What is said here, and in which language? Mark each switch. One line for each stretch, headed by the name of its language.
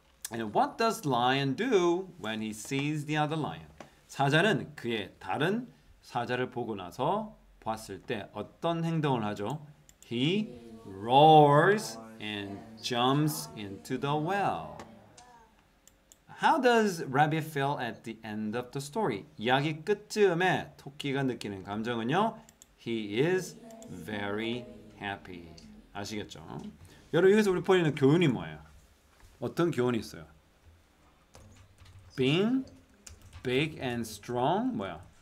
English: And what does lion do when he sees the other lion?
Korean: 사자는 그의 다른 사자를 보고 나서 봤을 때 어떤 행동을 하죠?
English: He roars and jumps into the well. How does rabbit feel at the end of the story?
Korean: 이야기 끝쯤에 토끼가 느끼는 감정은요?
English: He is very happy.
Korean: 아시겠죠? 여러분 여기서 우리 보이는 교훈이 뭐예요? 어떤 교훈이 있어요?
English: Being big and strong
Korean: 뭐야?